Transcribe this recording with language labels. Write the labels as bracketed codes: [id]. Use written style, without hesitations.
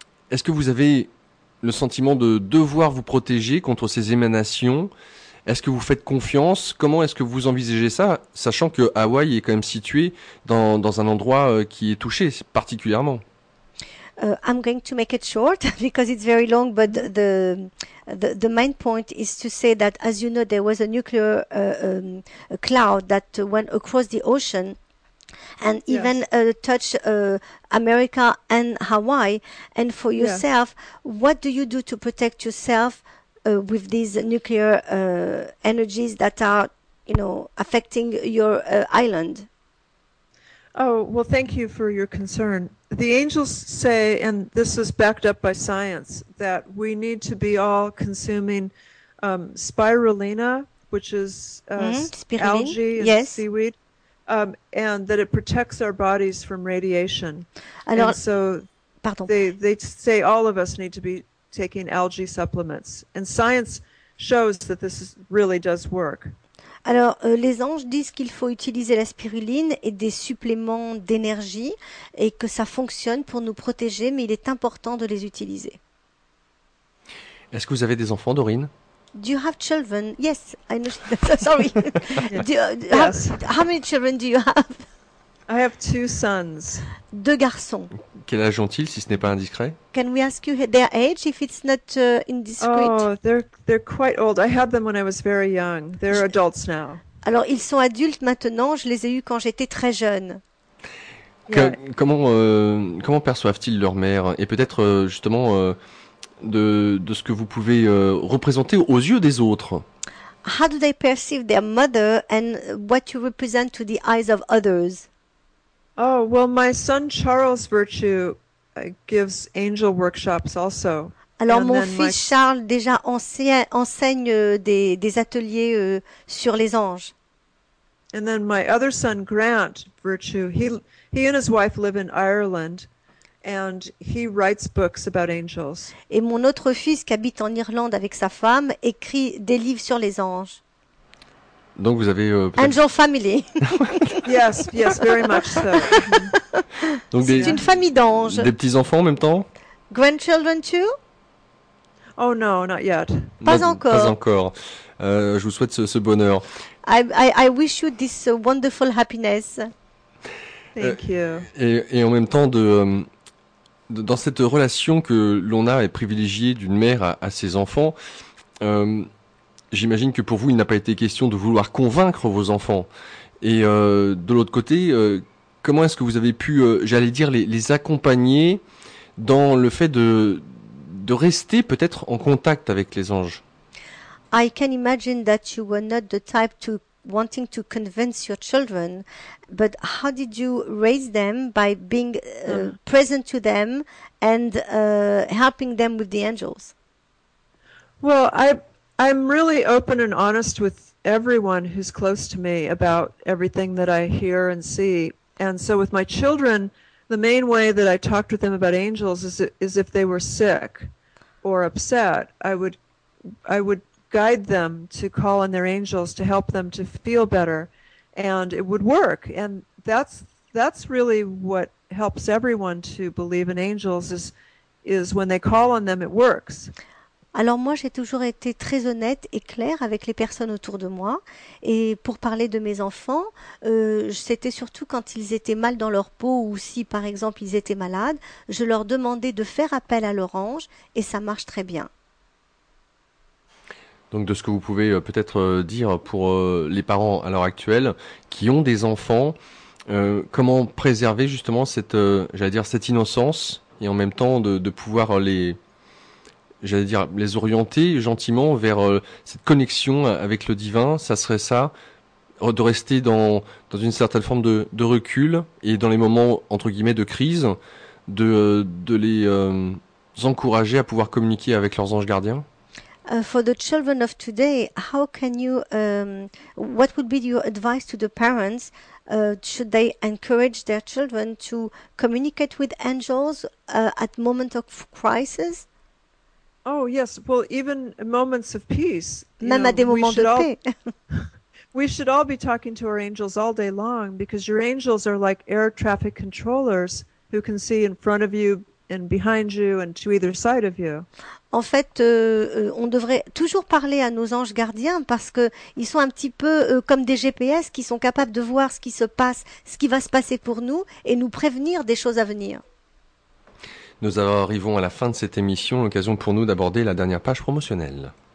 [fr] Est-ce que vous avez le sentiment de devoir vous protéger contre ces émanations? Est-ce que vous faites confiance? Comment est-ce que vous envisagez ça, sachant que Hawaï est quand même situé dans un endroit qui est touché particulièrement? [en] I'm going to make it short because it's very long, but the main point is to say that, as you know, there was a nuclear a cloud that went across the ocean and yes. even touched America and Hawaii. And for yourself, yes. what do you do to protect yourself with these nuclear energies that are, you know, affecting your island? Oh, well, thank you for your concern. The angels say, and this is backed up by science, that we need to be all consuming spirulina, which is algae and yes. seaweed, and that it protects our bodies from radiation. They say all of us need to be taking algae supplements. And science shows that this really does work. [fr] Alors, les anges disent qu'il faut utiliser la spiruline et des suppléments d'énergie et que ça fonctionne pour nous protéger, mais il est important de les utiliser. Est-ce que vous avez des enfants, Dorine? [en] Do you have children? Yes, I know. Sorry. How many children do you have? I have two sons. [fr] Deux garçons. Quel âge ont-ils, si ce n'est pas indiscret? [en] Can we ask you their age, if it's not indiscreet? Oh, they're quite old. I had them when I was very young. They're adults now. [fr] Alors, ils sont adultes maintenant. Je les ai eus quand j'étais très jeune. Comment perçoivent-ils leur mère? Et peut-être, justement, de ce que vous pouvez représenter aux yeux des autres. [en] How do they perceive their mother and what you represent to the eyes of others? Oh, well, my son Charles Virtue gives angel workshops also. [fr] Alors, and mon fils Charles déjà enseigne des ateliers sur les anges. [en] And then my other son Grant Virtue, he and his wife live in Ireland, and he writes books about angels. [fr] Et mon autre fils qui habite en Irlande avec sa femme écrit des livres sur les anges. Donc vous avez [en] Angel Family. Yes, yes, very much so. [fr] Donc c'est une famille d'anges. Des petits enfants en même temps? [en] Grandchildren too? Oh no, not yet. [fr] Pas encore. Pas encore. Je vous souhaite ce bonheur. [en] I wish you this wonderful happiness. Thank you. [fr] Et en même temps dans cette relation que l'on a et privilégiée d'une mère à ses enfants. J'imagine que pour vous, il n'a pas été question de vouloir convaincre vos enfants. Et de l'autre côté, comment est-ce que vous avez pu, les accompagner dans le fait de rester peut-être en contact avec les anges? [en] I can imagine that you were not the type to wanting to convince your children, but how did you raise them by being present to them and helping them with the angels? Well, I'm really open and honest with everyone who's close to me about everything that I hear and see. And so with my children, the main way that I talked with them about angels is if they were sick or upset, I would guide them to call on their angels to help them to feel better, and it would work. And that's really what helps everyone to believe in angels is when they call on them, it works. [fr] Alors moi, j'ai toujours été très honnête et claire avec les personnes autour de moi. Et pour parler de mes enfants, c'était surtout quand ils étaient mal dans leur peau ou si, par exemple, ils étaient malades, je leur demandais de faire appel à leur ange et ça marche très bien. Donc de ce que vous pouvez peut-être dire pour les parents à l'heure actuelle qui ont des enfants, comment préserver justement cette innocence et en même temps de pouvoir les... j'allais dire, les orienter gentiment vers cette connexion avec le divin, ça serait ça, de rester dans une certaine forme de recul et dans les moments, entre guillemets, de crise, de les encourager à pouvoir communiquer avec leurs anges gardiens. [en] For the children of today, how can you, what would be your advice to the parents? Should they encourage their children to communicate with angels at moments of crisis? Oh, yes. Well, even moments of peace. [fr] Même à des moments de paix. [en] We should all be talking to our angels all day long because your angels are like air traffic controllers who can see in front of you and behind you and to either side of you. [fr] En fait, on devrait toujours parler à nos anges gardiens parce que ils sont un petit peu comme des GPS qui sont capables de voir ce qui se passe, ce qui va se passer pour nous et nous prévenir des choses à venir. Nous arrivons à la fin de cette émission, l'occasion pour nous d'aborder la dernière page promotionnelle.